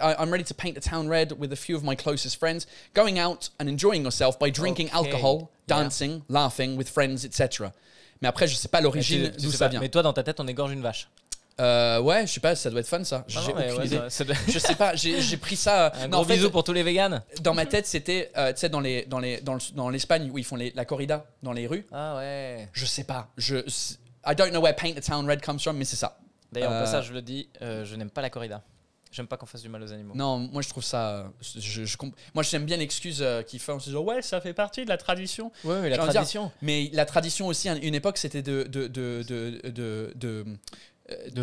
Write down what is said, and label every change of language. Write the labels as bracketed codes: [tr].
[en] I'm ready to paint the town red with a few of my closest friends. Going out and enjoying yourself by drinking alcohol, dancing, laughing with friends, etc. [fr] Mais après, je ne sais pas l'origine d'où ça vient. Mais toi, dans ta tête, on égorge une vache. Ouais, je sais pas, ça doit être fun ça. Non, j'ai aucune idée. Ça doit... Je sais pas, j'ai pris ça. Un gros bisou pour tous les véganes. Dans ma tête, c'était, tu sais, dans l'Espagne où ils font la corrida dans les rues. Ah ouais. Je sais pas. [en] I don't know where paint the town red comes from, [fr] mais c'est ça. D'ailleurs, en passage, je le dis, je n'aime pas la corrida. J'aime pas qu'on fasse du mal aux animaux. Non, moi je trouve ça. Moi j'aime bien l'excuse qu'ils font en se disant ouais, ça fait partie de la tradition. Ouais, mais la tradition. Mais la tradition aussi, à une époque, c'était de